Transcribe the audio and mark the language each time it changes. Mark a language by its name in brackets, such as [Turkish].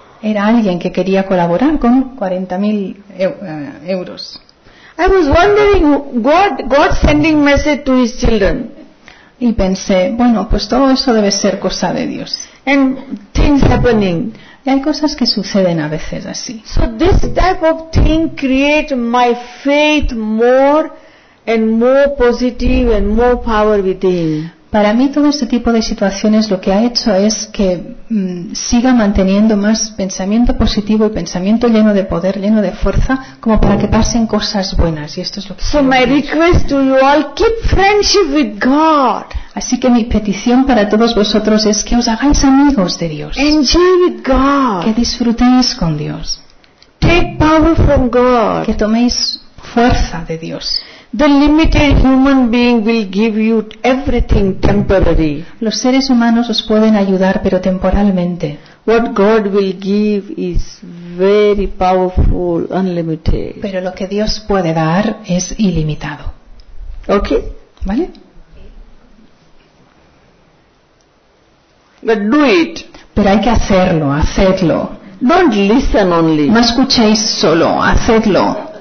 [Spanish] Era alguien que quería colaborar con 40,000 euros. [English] I was wondering God sending message to his children. [Spanish] Y pensé, bueno, pues todo eso debe ser cosa de Dios. [English] And things happening. [Spanish] Y hay cosas que suceden a veces así. [English] So this type of thing create my faith more and more positive and more power within. [Spanish] Para mí todo este tipo de situaciones lo que ha hecho es que siga manteniendo más pensamiento positivo y pensamiento lleno de poder, lleno de fuerza, como para que pasen cosas buenas. Y esto es lo que [English] so my request to you all, keep friendship with God. [Spanish] Así que mi petición para todos vosotros es que os hagáis amigos de Dios. [English] Enjoy with God. [Spanish] Que disfrutéis con Dios. [English] Take power from God. [Spanish] Que toméis fuerza de Dios. [English] The limited human being will give you everything temporary. [Spanish] Los seres humanos os pueden ayudar, pero temporalmente. [English] What God will give is very powerful, unlimited. [Spanish] Pero lo que Dios puede dar es ilimitado. [English] Okay. [Spanish] ¿Vale? [English] But do it. [Spanish] Pero hay que hacerlo, hacedlo. [English] Don't listen only. [Spanish] No escuchéis solo, hacedlo.